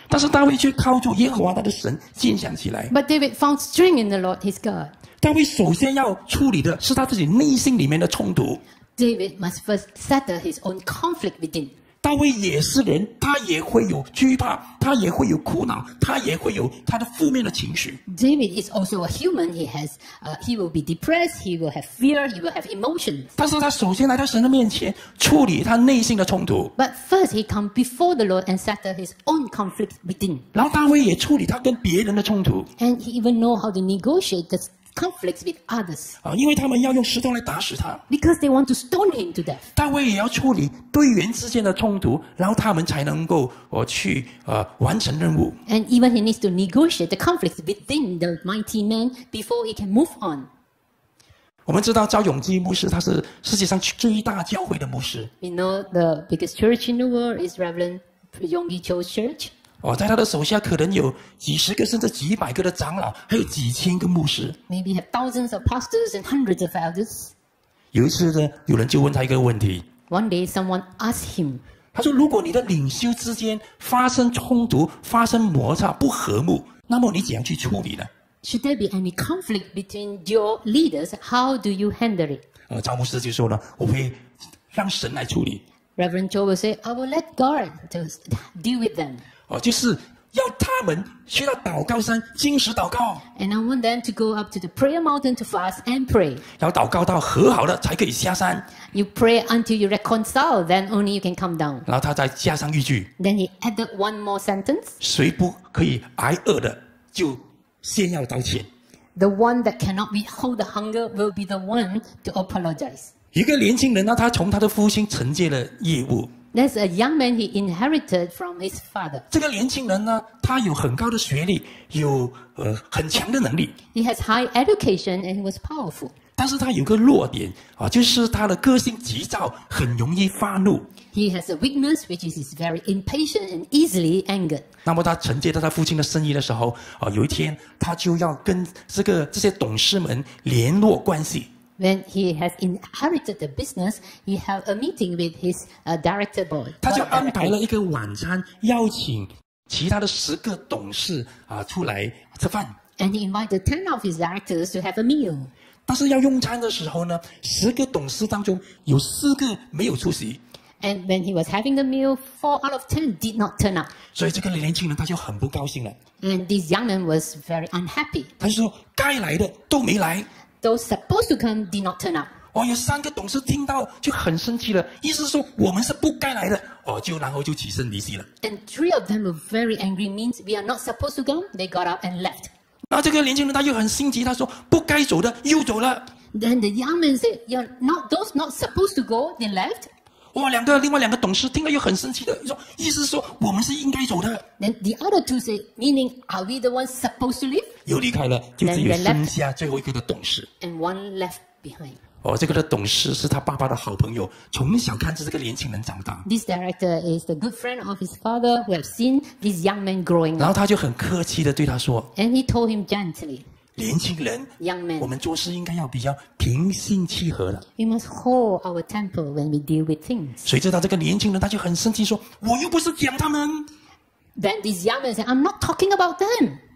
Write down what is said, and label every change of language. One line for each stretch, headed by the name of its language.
Chinese: 但是大卫却靠住耶和华他的神坚强起来
English: But David found strength in the Lord his God
Chinese: 大卫首先要处理的是他自己内心里面的冲突
English: David must first settle his own conflict within
Chinese: 大卫也是人，他也会有惧怕，他也会有苦恼，他也会有他的负面的情绪。
English: David is also a human. He has, he will be depressed. He will have fear. He will have emotions.
Chinese: 但是他首先来到神的面前，处理他内心的冲突。
English: But first, he come before the Lord and settle his own conflict within.
Chinese: 然后大卫也处理他跟别人的冲突。
English: And he even know how to negotiate the conflicts with others.
Chinese: 因为他们要用石头来打死他。
English: Because they want to stone him to death.
Chinese: 大卫也要处理队员之间的冲突，然后他们才能够去完成任务。
English: And even he needs to negotiate the conflicts within the mighty man before he can move on.
Chinese: 我们知道赵永基牧师他是世界上最大教会的牧师。
English: We know the biggest church in the world is Reverend Yong Yi Cho Church.
Chinese: 在他的手下可能有几十个甚至几百个的长老，还有几千个牧师。
English: Maybe have thousands of pastors and hundreds of elders.
Chinese: 有一次呢，有人就问他一个问题。
English: One day, someone asked him.
Chinese: 他说：“如果你的领袖之间发生冲突、发生摩擦、不和睦，那么你怎样去处理呢
English: ？”Should there be any conflict between your leaders? How do you handle it?
Chinese: 赵牧师就说了：“我会让神来处理。
English: ”Reverend Joe will say, "I will let God to deal with them."
Chinese: 就是要他们去到祷告山禁食祷告。
English: And I want them to go up to the prayer mountain to fast and pray.
Chinese: 要祷告到和好了才可以下山。
English: You pray until you reconcile, then only you can come down.
Chinese: 然后他再加上一句。
English: Then he added one more sentence.
Chinese: 谁不可以挨饿的，就先要道歉。
English: The one that cannot withhold the hunger will be the one to apologize.
Chinese: 一个年轻人呢，他从他的父亲承接了业务。
English: That's a young man he inherited from his father.
Chinese: 这个年轻人呢，他有很高的学历，有很强的能力。
English: He has high education and he was powerful.
Chinese: 但是他有个弱点就是他的个性急躁，很容易发怒。
English: He has a weakness which is very impatient and easily angered.
Chinese: 那么他承接到他父亲的生意的时候有一天他就要跟这些董事们联络关系。
English: When he has inherited the business, he had a meeting with his director board.
Chinese: 他就安排了一个晚餐，邀请其他的十个董事出来吃饭。
English: And he invited 10 of his directors to have a meal.
Chinese: 但是要用餐的时候呢，十个董事当中有四个没有出席。
English: And when he was having the meal, 4 out of 10 did not turn up.
Chinese: 所以这个年轻人他就很不高兴了。
English: And this young man was very unhappy.
Chinese: 他就说该来的都没来。
English: Those supposed to come did not turn up.
Chinese: 有三个董事听到就很生气了，意思是说我们是不该来的，然后就起身离席了。
English: And three of them were very angry, means we are not supposed to come. They got up and left.
Chinese: 那这个年轻人他又很心急，他说不该走的又走了。
English: Then the young man said, "You're not those not supposed to go. They left."
Chinese: 另外两个董事听了又很生气的，说意思是说我们是应该走的。
English: Then the other two said, "Meaning, are we the ones supposed to leave?"
Chinese: 又离开了，就只有剩下最后一个的董事。
English: And one left behind.
Chinese: 这个的董事是他爸爸的好朋友，从小看着这个年轻人长大。
English: This director is the good friend of his father who have seen this young man growing up.
Chinese: 然后他就很客气的对他说。
English: And he told him gently.
Chinese: 年轻人
English: ，young man，
Chinese: 我们做事应该要比较平心气和的。
English: We must hold our temper when we deal with things.
Chinese: 谁知道这个年轻人他就很生气说，我又不是讲他们。
English: Then this young man said, "I'm not talking about them."